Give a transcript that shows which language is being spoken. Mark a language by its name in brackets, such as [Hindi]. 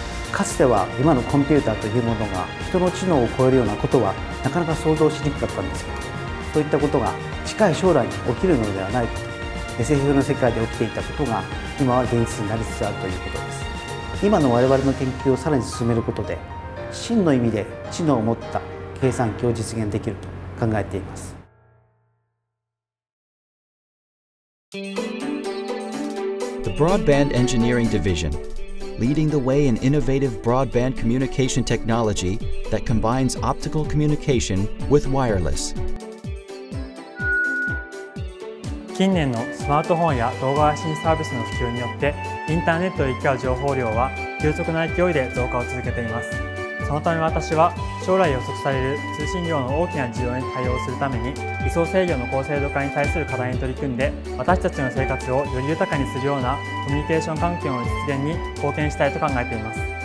[Japanese] かつては今のコンピューターというものが人の知能を超えるようなことはなかなか想像しにくかったんですけど、そういったことが近い将来に起きるのではないかと、 SF の世界で起きていたことが今は現実になりつつあるということです。今の我々の研究をさらに進めることで真の意味で知能を持った計算機を実現できると考えています。 [English] The Broadband Engineering Division, leading the way in innovative broadband communication technology that combines optical communication with wireless. [Japanese] 近年のスマートフォンや動画配信サービスの普及によってインターネットで行き交う情報量は急速な勢いで増加を続けています。そのため私は将来予測される通信量の大きな需要に対応するために位相制御の高精度化に対する課題に取り組んで、私たちの生活をより豊かにするようなコミュニケーション環境の実現に貢献したいと考えています。